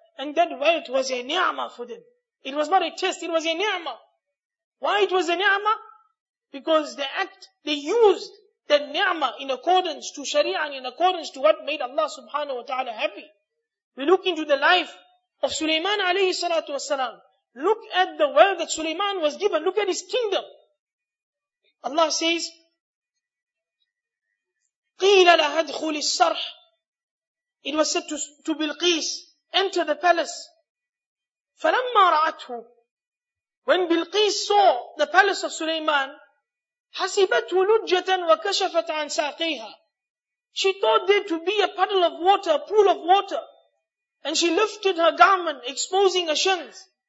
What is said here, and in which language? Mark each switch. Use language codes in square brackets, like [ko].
[en] And that wealth was a ni'mah for them. It was not a test, it was a ni'mah. Why it was a ni'mah? Because they used that ni'mah in accordance to sharia and in accordance to what made Allah subhanahu wa ta'ala happy. We look into the life of Sulaiman alayhi salatu wasalam. Look at the wealth that Sulaiman was given. Look at his kingdom. Allah says, [ar] قِيلَ لَهَا ادْخُلِ الصَّرْحِ. [en] It was said to Bilqis, enter the palace. [ar] فَلَمَّا رَأَتْهُ. [en] When Bilqis saw the palace of Sulaiman, [ar] حَسِبَتْهُ لُجَّةً وَكَشَفَتْ عَنْ سَاقِيهَا. [en] She thought there to be a puddle of water, a pool of water. And she lifted her garment, exposing her shins.